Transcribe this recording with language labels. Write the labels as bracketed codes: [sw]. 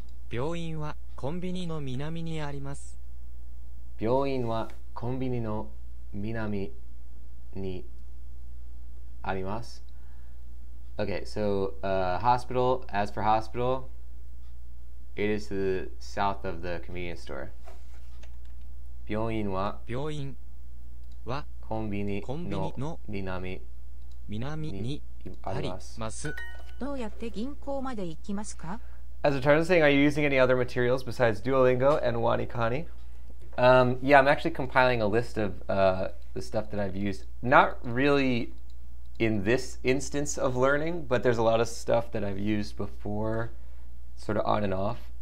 [ja] 病院はコンビニの南にあります。病院はコンビニの南にあります。 [en] Okay, so, hospital, as for hospital, it is to the south of the convenience store. [ja] 病院は病院はコンビニの南にあります。どうやって銀行まで行きますか? [en] As a turn of saying, are you using any other materials besides Duolingo and WaniKani? Yeah, I'm actually compiling a list of the stuff that I've used. Not really in this instance of learning, but there's a lot of stuff that I've used before, sort of on and off.